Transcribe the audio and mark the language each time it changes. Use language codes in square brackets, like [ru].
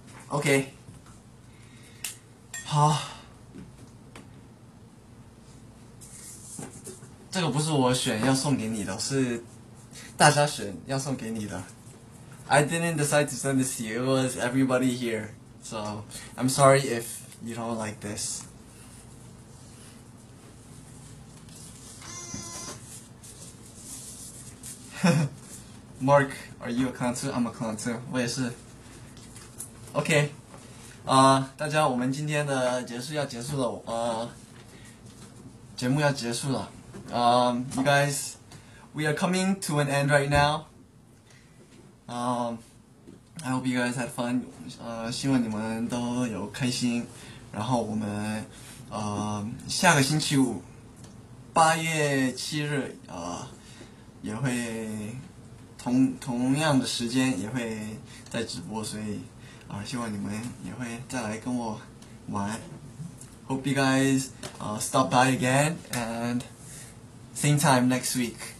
[zh] OK， 好，这个不是我选要送给你的，是大家选要送给你的。 [en] I didn't decide to send this to you. It was everybody here. So I'm sorry if you don't like this. Mark, are you a clown too? I'm a clown too. [zh] 我也是。 [en] OK。 [zh] 大家，我们今天的结束要结束了，节目要结束了。 [en] You guys, we are coming to an end right now. I hope you guys had fun. [zh] 希望你们都有开心。然后我们，下个星期五，8月7日，也会同样的时间也会在直播，所以。希望你们也会再来跟我玩。 [en] Hope you guys stop by again and same time next week.